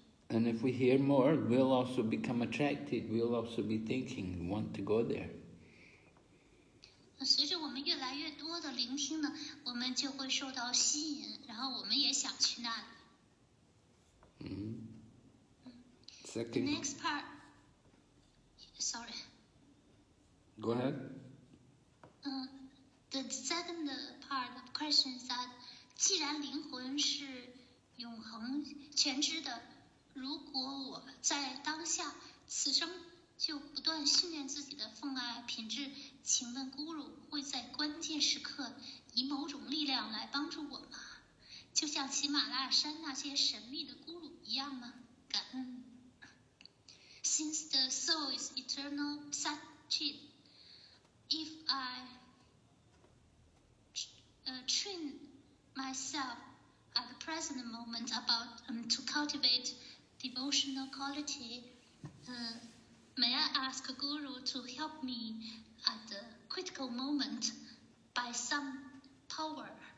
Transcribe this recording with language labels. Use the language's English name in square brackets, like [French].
[English] And if we hear more, we'll also become attracted. We'll also be thinking, we want to go there. [Chinese] 随着我们越来越多的聆听呢，我们就会受到吸引，然后我们也想去那里。 [English] Mm-hmm. Second. The next part. Sorry. Go ahead. The second part of the question is that, [Chinese] 既然灵魂是永恒全知的，如果我在当下此生就不断训练自己的奉爱品质，请问Guru会在关键时刻以某种力量来帮助我吗？就像喜马拉雅山那些神秘的咕噜一样吗？感恩。 [English] Since the soul is eternal, Satchit, if I train myself at the present moment about to cultivate devotional quality, may I ask Guru to help me at the critical moment by some power?